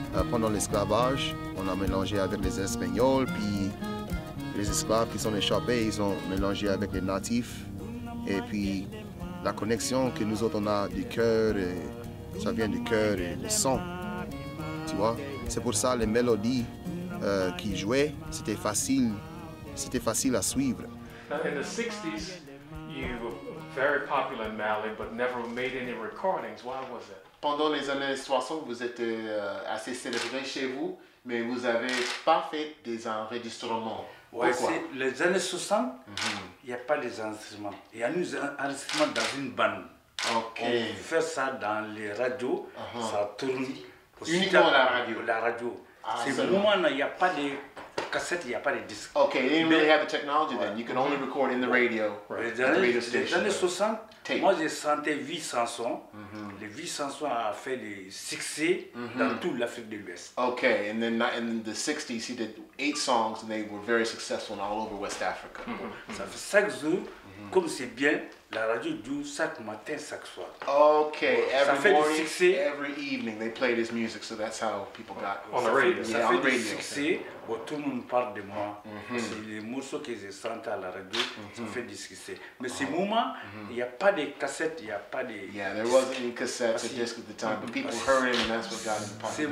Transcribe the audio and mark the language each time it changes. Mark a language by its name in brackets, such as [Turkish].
[French] Pendant l'esclavage, on a mélangé avec les espagnols, puis les esclaves qui sont échappés, ils ont mélangé avec les natifs. Et puis la connexion que nous autres on a du cœur, ça vient du cœur et du son, tu vois. C'est pour ça les mélodies qu'ils jouaient, c'était facile à suivre. [English] In the 60s, very popular in Mali, but never made any recordings. Why was it? [French] Pendant les années 60, vous étiez assez célèbre chez vous, mais vous avez pas fait des enregistrements. Ouais, pourquoi? Les années 60, y a pas les enregistrements. Il y a nous enregistrements dans une bande. Ok. On fait ça dans les radios, ça tourne. Uniquement la radio. La radio. Ah, c'est moment, il y a pas les cassette, il n'y a pas les disques. [English] Ok, they didn't really have the technology then. You can only record in the radio. [French] Right. Les années 60, moi j'ai senti 800 sons. Les 800 sons ont fait le succès dans toute l'Afrique de l'Ouest. [English] Ok, and then in the 60s, he did 8 songs and they were very successful in all over West Africa. [French] Ça fait 5 jours, comme c'est bien, la radio joue chaque matin, chaque soir. [English] Ok, every morning, every evening, they played his music, so that's how people got on the radio. [French] Ça fait du succès, tout le monde parle de moi. C'est les morceaux que j'ai sentis à la radio, ça fait du succès. Mais ce moment, il n'y a pas de cassette, il n'y a pas de disque. [English] Yeah, there wasn't any cassette or disc at the time, but people heard him and that's what got him popular.